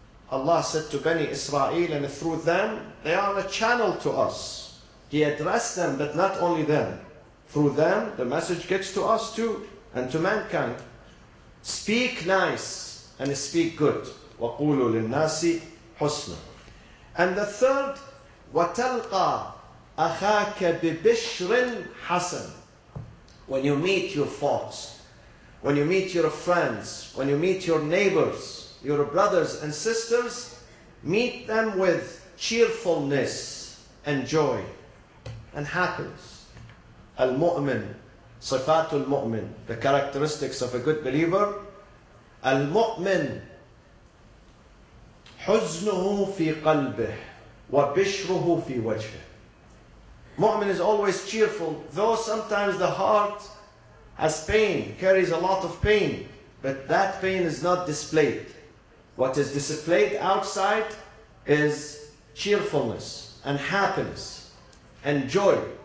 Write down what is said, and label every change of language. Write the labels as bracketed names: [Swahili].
[English] Allah said to Bani Israel, and through them, they are a channel to us. He addressed them, but not only them. Through them, the message gets to us too, and to mankind. Speak nice and speak good. [Arabic] وَقُولُوا لِلنَّاسِ حُسْنًا. [English] And the third, [Arabic] وَتَلْقَى أَخَاكَ بِبِشْرٍ حَسَنٍ. [English] When you meet your folks, when you meet your friends, when you meet your neighbors, your brothers and sisters, meet them with cheerfulness and joy and happiness. [Arabic] المؤمن, صفات المؤمن, [English] the characteristics of a good believer. [Arabic] المؤمن حزنه في قلبه وبشره في وجهه. [English] Mu'min is always cheerful, though sometimes the heart has pain, carries a lot of pain, but that pain is not displayed. What is displayed outside is cheerfulness and happiness and joy.